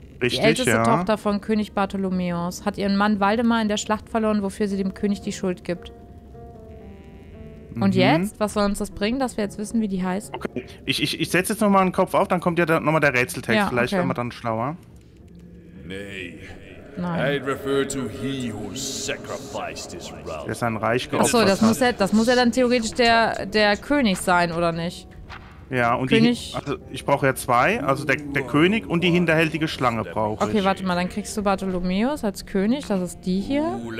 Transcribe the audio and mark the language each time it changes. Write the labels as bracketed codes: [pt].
[de] Richtig, die älteste Tochter von König Bartholomäus hat ihren Mann Waldemar in der Schlacht verloren, wofür sie dem König die Schuld gibt. Und jetzt? Was soll uns das bringen, dass wir jetzt wissen, wie die heißt? Okay, ich setze jetzt nochmal einen Kopf auf, dann kommt ja nochmal der Rätseltext. Ja, vielleicht werden wir dann schlauer. Nein. [en] I'd refer to he who sacrificed his realm. [de] Der sein Reich geopfert hat. Achso, das muss ja dann theoretisch der König sein, oder nicht? Ja, und König. Ich brauche ja zwei, also der König und die hinterhältige Schlange brauche ich. Okay, warte mal, dann kriegst du Bartholomäus als König, das ist die hier.